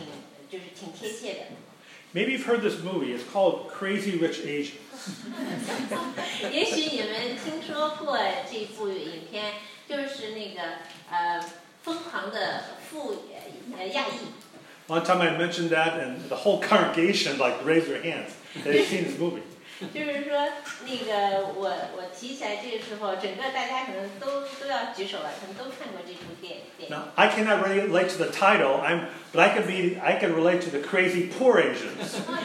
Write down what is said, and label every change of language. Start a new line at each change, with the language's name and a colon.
Chinese: 就是前段时间刚上映的一部片子，这个片子的名字呢，我觉得跟我也还挺贴切的。
English: Maybe you've heard this movie. It's called Crazy Rich Asians.
Chinese: 也许你们听说过这部影片，就是那个疯狂的亚裔。
English: One time I mentioned that, and the whole congregation like raised their hands that they've seen this movie.
Chinese: 就是说，那个我提起来这个时候，整个大家可能都要举手了，可能都看过这部电影。
English: Now, I cannot relate to the title, but I can relate to the crazy poor Asians.